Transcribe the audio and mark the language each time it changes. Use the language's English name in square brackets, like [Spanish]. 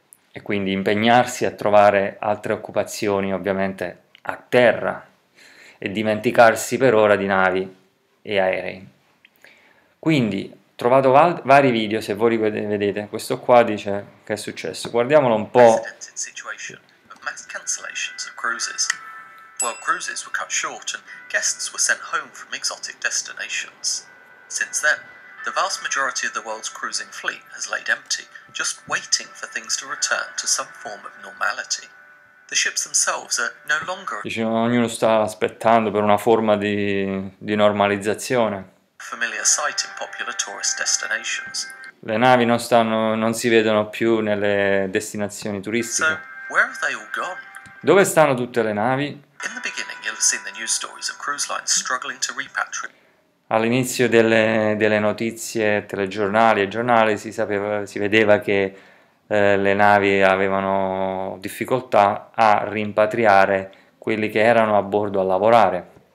[Italian] E quindi impegnarsi a trovare altre occupazioni, ovviamente a terra. E dimenticarsi per ora di navi e aerei. Quindi, ho trovato va vari video, se voi li vedete, questo qua dice che è successo. Guardiamolo un po'. [English] Unprecedented situation of mass cancellations of cruises. While cruises were cut short and guests were sent home from exotic destinations. Since then, the vast majority of the world's cruising fleet has laid empty, just waiting for things to return to some form of normality. The ships themselves are no longer [Italian] Ognuno sta aspettando per una forma di normalizzazione. [English] a familiar sight in popular tourist destinations. [Italian] Le navi non si vedono più nelle destinazioni [English] So, [Italian] turistiche. [English] where have they all gone? [Italian] Dove stanno tutte le navi? [English] In the beginning, you'll have seen the news stories of cruise lines struggling to repatriate. [Italian] All'inizio delle notizie telegiornali e giornali si vedeva che le navi avevano difficoltà a rimpatriare quelli che erano a bordo a lavorare.